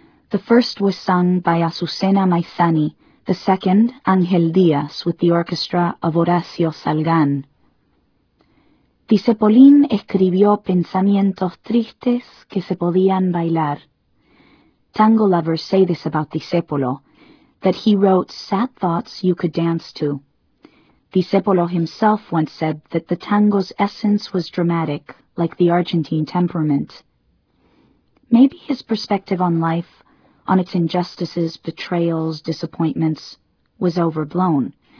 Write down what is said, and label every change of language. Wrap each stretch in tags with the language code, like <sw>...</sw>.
<en>The first was sung by Azucena Maizani, the second, Ángel Díaz, with the orchestra of Horacio Salgán.</en> <es>Dice Polín escribió Pensamientos Tristes que se podían bailar.</es> <en>Tango lovers say this about Discepolo, that he wrote sad thoughts you could dance to. Discepolo himself once said that the tango's essence was dramatic, like the Argentine temperament. Maybe his perspective on life, on its injustices, betrayals, disappointments, was overblown.</en>